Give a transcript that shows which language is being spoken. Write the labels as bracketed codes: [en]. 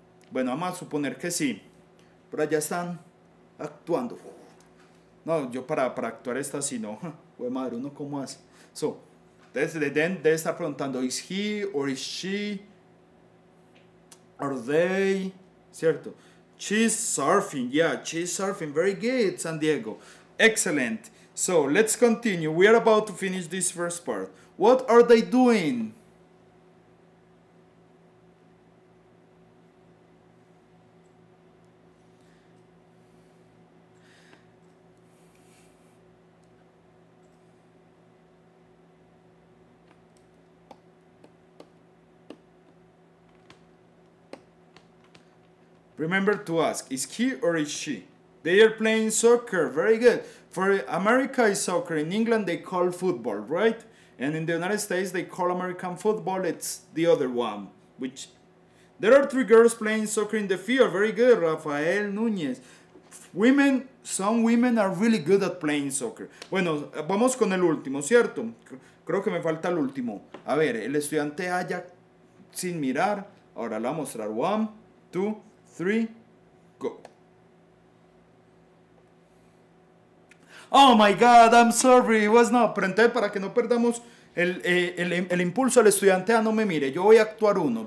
[es] Bueno, vamos a suponer que sí, pero allá están actuando. No, yo para actuar esta sí, no, güey madre, uno cómo hace. [en] So, [es] debe estar preguntando, [en] is he or is she, are they, cierto, she's surfing, yeah, she's surfing, very good, San Diego, excellent, so let's continue, we are about to finish this first part, what are they doing? Remember to ask, is he or is she? They are playing soccer, very good. For America is soccer, in England they call football, right? And in the United States they call American football, it's the other one. Which, there are three girls playing soccer in the field, very good, Rafael Núñez. Women, some women are really good at playing soccer. [es] Bueno, vamos con el último, ¿cierto? Creo que me falta el último. A ver, el estudiante haya sin mirar, ahora le voy a mostrar, [en] 1, 2, 3, go. Oh my God, I'm sorry, it was not. [es] Pero entonces, para que no perdamos el impulso, el estudiante, no me mire, yo voy a actuar uno.